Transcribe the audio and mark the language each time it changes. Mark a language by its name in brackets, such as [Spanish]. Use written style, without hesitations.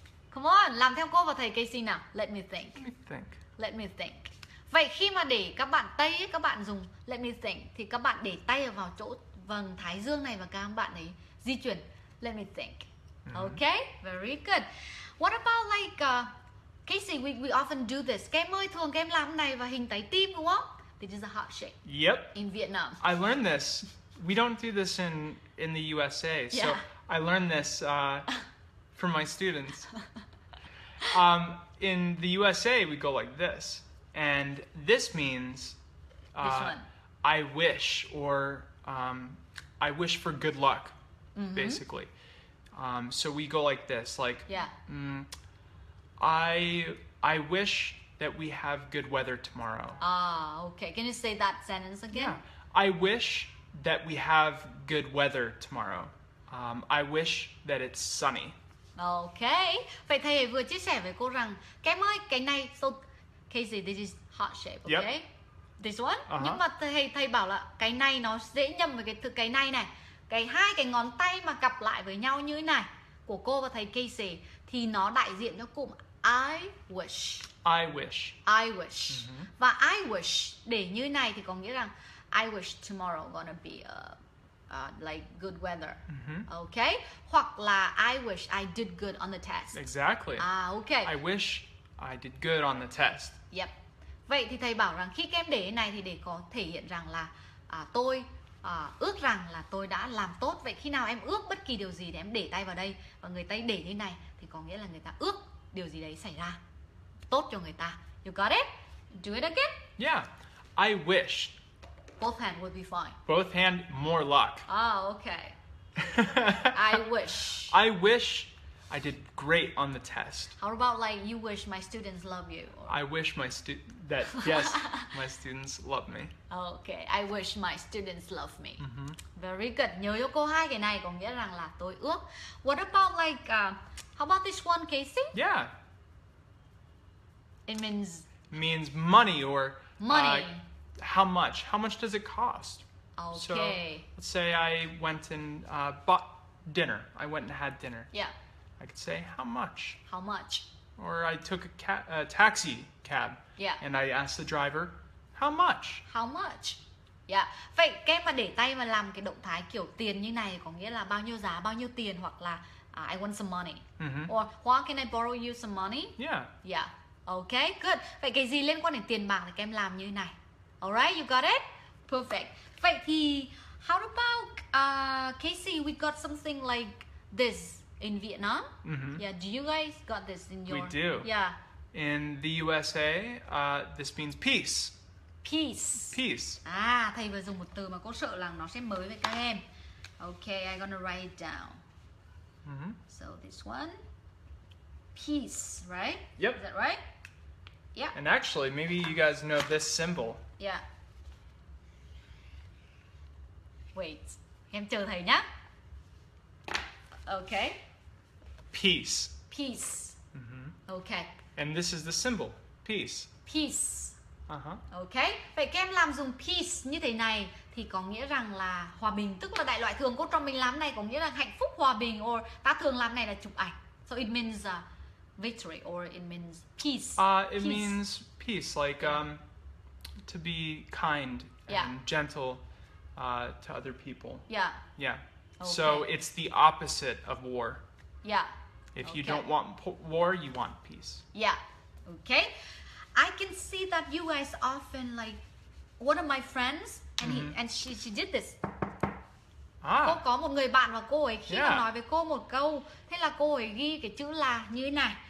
[English] Come on, [Vietnamese] làm theo cô và thầy Casey nào. [English] Let me think. Let me think. Let me think. [Vietnamese] Vậy khi mà để các bạn tay ấy, các bạn dùng [English] let me think [Vietnamese] thì các bạn để tay vào chỗ vầng thái dương này và các bạn ấy di chuyển. [English] Let me think. Okay, very good. What about like Casey, we often do this. [Vietnamese] Các em ơi, thường các em làm này và hình trái tim đúng không? [English] It is a heart shape. Yep. In Vietnam. I learned this. We don't do this in the USA. Yeah. So I learned this from my students. In the USA, we go like this. And this means this one. I wish or I wish for good luck. mm-hmm. basically. So we go like this, like, yeah. I wish that we have good weather tomorrow. Okay. Can you say that sentence again? Yeah. I wish that we have good weather tomorrow. I wish that it's sunny. Okay. [Vietnamese] Vậy thầy vừa chia sẻ với cô rằng cái mới cái này, [English] so Casey, this is heart shape, okay? Yep. This one. Uh-huh. [Vietnamese] Nhưng mà thầy bảo là cái này nó dễ nhầm với cái từ cái này này. Cái hai cái ngón tay mà gặp lại với nhau như thế này của cô và thầy Casey thì nó đại diện cho cụm [English] I wish. I wish. I wish. Mm-hmm. Và I wish [Vietnamese] để như này thì có nghĩa rằng [English] I wish tomorrow gonna be like good weather. Mm-hmm. Okay? [Vietnamese] Hoặc là [English] I wish I did good on the test. Exactly. Okay. I wish I did good on the test. Yep. [Vietnamese] Vậy thì thầy bảo rằng khi kem để này thì để có thể hiện rằng là tôi ước rằng là tôi đã làm tốt. Vậy khi nào em ước bất kỳ điều gì thì em để tay vào đây. Và người ta để như này thì có nghĩa là người ta ước điều gì đấy xảy ra tốt cho người ta. [English] You got it? Do it again? Yeah. I wish. Both hand would be fine. Both hand, more luck. Oh, okay. I wish. I wish I did great on the test. How about like you wish my students love you? Or... I wish my that yes, my students love me. Okay, I wish my students love me. Mm-hmm. Very good. [Vietnamese] Nhớ cho cô hai cái này có nghĩa rằng là tôi ước. [English] What about like how about this one, Casey? Yeah. It means. Means money or. Money. How much? How much does it cost? Okay. So, let's say I went and bought dinner. I went and had dinner. Yeah. I could say, how much? How much? Or I took a taxi cab. Yeah. And I asked the driver, how much? How much? Yeah. [Vietnamese] Vậy cái mà để tay mà làm cái động thái kiểu tiền như này có nghĩa là bao nhiêu giá, bao nhiêu tiền hoặc là [English] I want some money. Mm-hmm. Or, why can I borrow you some money? Yeah. Yeah. Okay, good. [Vietnamese] Vậy cái gì liên quan đến tiền bạc thì em làm như này. [English] Alright, you got it? Perfect. [Vietnamese] Vậy thì, [English] how about, Casey, we got something like this in Vietnam? Mm-hmm. Yeah, do you guys got this in your... We do. Yeah. In the USA, this means peace. Peace. Peace. [Vietnamese] Ah, thầy vừa dùng một từ mà cô sợ là nó sẽ mới với các em. [English] Okay, I'm gonna write it down. Mm-hmm. So this one. Peace, right? Yep. Is that right? Yeah. And actually, maybe you guys know this symbol. Yeah. Wait. [Vietnamese] Em chờ thầy nhá. Okay. [English] Peace. Peace. Mm-hmm. Okay. And this is the symbol. Peace. Peace. Uh-huh. Okay. [Vietnamese] Vậy các em làm dùng peace như thế này thì có nghĩa rằng là hòa bình, tức là đại loại thường cốt trong mình làm này có nghĩa là hạnh phúc, hòa bình, or ta thường làm này là chụp ảnh. [English] So it means victory, or it means peace. It means peace, like to be kind and gentle to other people. Yeah. Yeah. Okay. So it's the opposite of war. Yeah. If you don't want war, you want peace. Yeah. Okay. I can see that you guys often like one of my friends and mm-hmm. she did this. Ah. [Vietnamese] Cô có một người bạn và cô ấy khi mà nói với cô một câu, thế là cô ấy ghi cái chữ là như thế này.